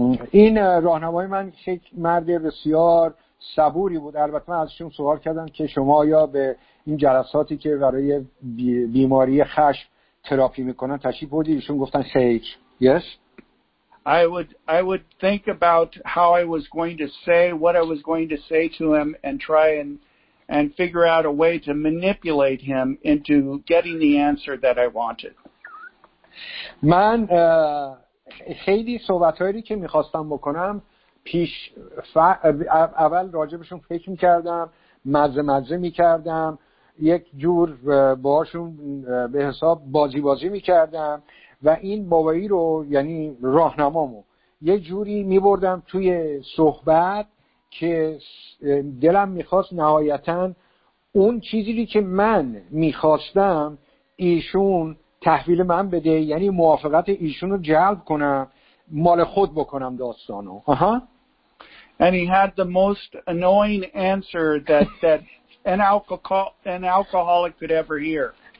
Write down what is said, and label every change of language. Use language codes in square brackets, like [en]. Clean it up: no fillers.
[fa] این راهنمای من یک مرد بسیار صبوری بود. البته من ازشون سوال کردم که شما یا به این جلساتی که برای بیماری خشم تراپی میکنن تشریف بودید؟ ایشون گفتن خیر. [en] Yes. I would think about how I was going to say, what I was going to say to him, and try and figure out a way to manipulate him into getting the answer that I wanted. [fa] من خیلی صحبتایی که میخواستم بکنم پیش اول راجبشون فکر میکردم، مزه مزه میکردم، یک جور باهاشون به حساب بازی بازی میکردم و این بابایی رو، یعنی راهنمامو، یه جوری میبردم توی صحبت که دلم میخواست نهایتاً اون چیزی که من میخواستم ایشون تحویل من بده، یعنی موافقت ایشون رو جلب کنم، مال خود بکنم داستانو. آها. [en] And he had the most annoying answer that an alcoholic could ever hear.